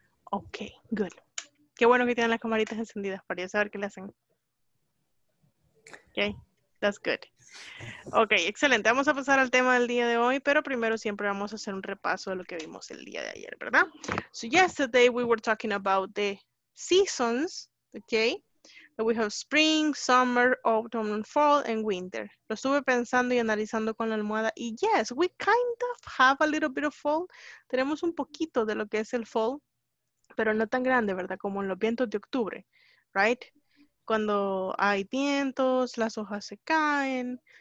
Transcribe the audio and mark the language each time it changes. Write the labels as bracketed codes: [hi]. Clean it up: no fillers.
[en] Ok, good. [es] Qué bueno que tienen las camaritas encendidas para yo saber qué le hacen. [en] Ok, that's good. [es] Ok, excelente. Vamos a pasar al tema del día de hoy, pero primero siempre vamos a hacer un repaso de lo que vimos el día de ayer, ¿verdad? [en] So yesterday we were talking about the seasons, ok. We have spring, summer, autumn, fall, and winter. [es] Lo estuve pensando y analizando con la almohada. Y yes, [en] we kind of have a little bit of fall. [es] Tenemos un poquito de lo que es el fall, pero no tan grande, ¿verdad? Como en los vientos de octubre, [en] right? [es] Cuando hay vientos, las hojas se caen.